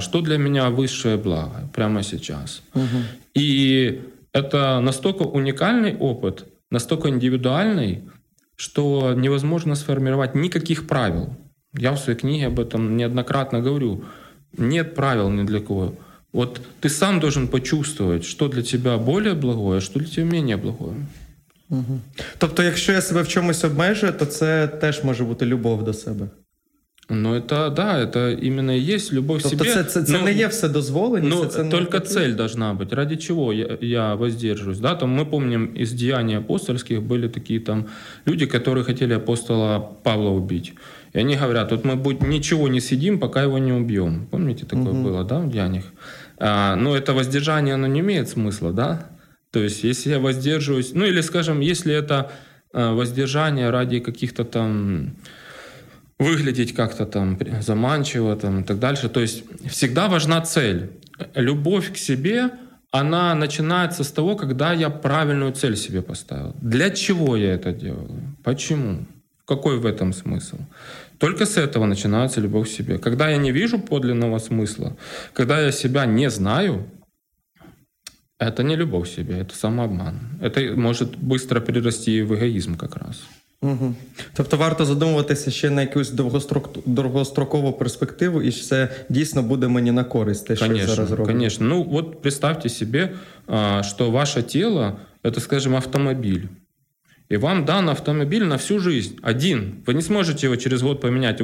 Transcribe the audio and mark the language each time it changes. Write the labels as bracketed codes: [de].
[ru] Что для меня высшее благо прямо сейчас? Угу. И это настолько уникальный опыт, настолько индивидуальный, что невозможно сформировать никаких правил. Я в своей книге об этом неоднократно говорю. Нет правил ни для кого. Вот ты сам должен почувствовать, что для тебя более благое, а что для тебя менее благое. Угу. [uk] Тобто, якщо я себе в чомусь обмежую, то це теж може бути любов до себе. [ru] Ну, это, да, это именно и есть любовь к себе. [uk] Це не є все дозволені. [ru] Ну, только цель должна быть. Ради чего я воздерживаюсь? Да? Там мы помним, из Деяний апостольских были такие там люди, которые хотели апостола Павла убить. И они говорят, вот мы ничего не съедим, пока его не убьем. Помните, такое угу. было, да, в Деяниях? Но это воздержание, оно не имеет смысла, да? То есть, если я воздерживаюсь... Ну, или, скажем, если это воздержание ради каких-то там... выглядеть как-то там заманчиво там, и так дальше. То есть всегда важна цель. Любовь к себе, она начинается с того, когда я правильную цель себе поставил. Для чего я это делаю? Почему? Какой в этом смысл? Только с этого начинается любовь к себе. Когда я не вижу подлинного смысла, когда я себя не знаю, это не любовь к себе, это самообман. Это может быстро перерасти в эгоизм как раз. Угу. [uk] Тобто варто задумуватися ще на якусь довгострокову перспективу, і це дійсно буде мені на користь, те, [ru] конечно, [uk] що я зараз роблю. [ru] Конечно. [uk] Ну, от [ru] представьте [uk] собі, що ваше тіло – це, скажімо, автомобіль. І вам [ru] дан [uk] автомобіль на всю [ru] жизнь. [uk] Один. Ви не зможете його через [ru] год [uk] поміняти.